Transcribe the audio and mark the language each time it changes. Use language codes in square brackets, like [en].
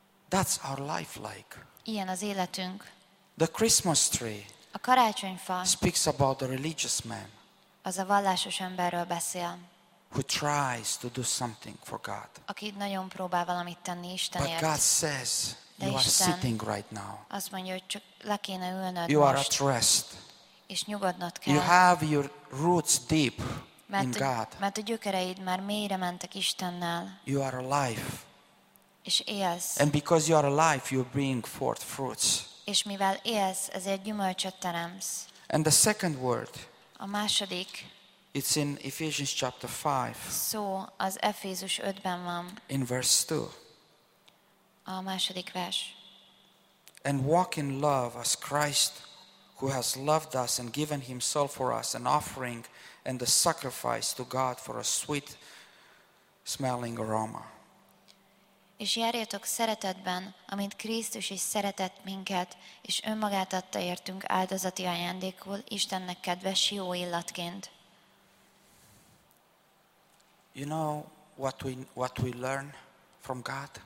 [en] That's our life like. [hu] Ilyen az életünk. [en] The Christmas tree. [hu] A karácsonyfa. [en] Speaks about the religious man. [hu] Az a vallásos emberről beszél. [en] Who tries to do something for God. [hu] Aki nagyon próbál valamit tenni Istenért. [en] But God says, you are sitting right now. [hu] Azt mondja, hogy csak le kéne ülnöd most. [en] You are at rest. [hu] És nyugodnod kell. [en] You have your roots deep. [hu] Mert a gyökereid már mélyre mentek Istennel. [en] You are alive. [hu] És élsz. [en] And because you are alive, you bring forth fruits. [hu] És mivel élsz, ezért gyümölcsöt teremsz. [en] And the second word. [hu] A második. [en] It's in Ephesians chapter 5. [hu] Szó az Efézus 5-ben van. [en] In verse 2. [hu] A második vers. [en] And walk in love as Christ who has loved us and given himself for us, an offering and a sacrifice to God for a sweet smelling aroma. [hu] És járjatok szeretetben, amint Krisztus is szeretett minket, és önmagát adta értünk áldozati ajándékul, Istennek kedves jó illatként. [en] You know what we learn from God?